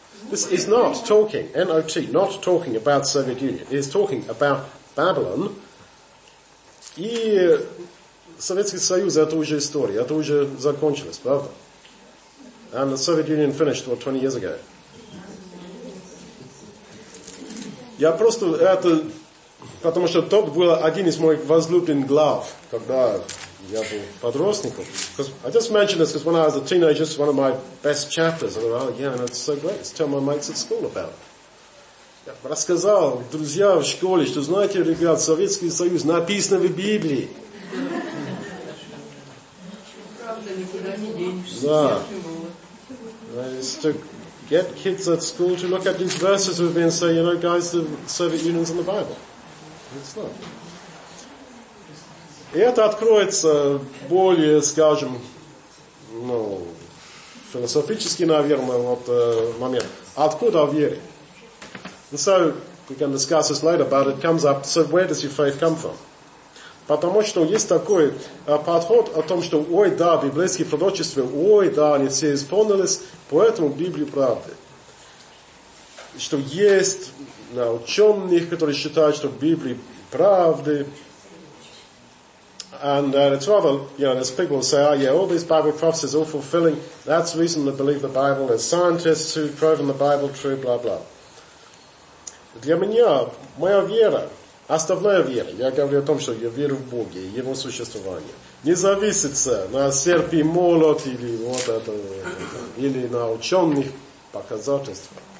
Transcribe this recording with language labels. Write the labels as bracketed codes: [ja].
[en] This is not talking, N-O-T, not talking about Soviet Union. It is talking about Babylon. [ru] И Советский Союз, это уже история, это уже закончилось, правда? [en] And the Soviet Union finished, what, 20 years ago? [ru] Я просто это... Потому что тот был один из моих возлюбленных глав, когда я был подростником. [en] Because I just mentioned this, because when I was a teenager, this was one of my best chapters. I thought, oh, yeah, and it's so great. Let's tell my mates at school about it. [ru] Я рассказал, друзья в школе, что, знаете, ребят, Советский Союз написано в Библии. Правда, никуда не денешься. Да. [en] Is to get kids at school to look at these verses with me and say, you know, guys, the Soviet Union's in the Bible. It's not. [ru] И это откроется более, скажем, ну, философический, наверное, вот момент. Откуда вера? [en] And so we can discuss this later, but it comes up. So where does your faith come from? [ru] Потому что есть такой подход о том, что ой, да, библейские пророчества, ой, да, они все исполнились, поэтому Библия правда. Что есть на ученых, которые считают, что Библия правда. [en] And it's rather, you know, as people say, oh yeah, all these Bible prophecies are all fulfilling, that's reason to believe the Bible, there's scientists who've proven the Bible true, blah, blah. [ru] Для меня, моя вера, основная вера, я говорю о том, что я верю в Бога и Его существование, не зависит на серп и молот или вот это, или на ученых показательств.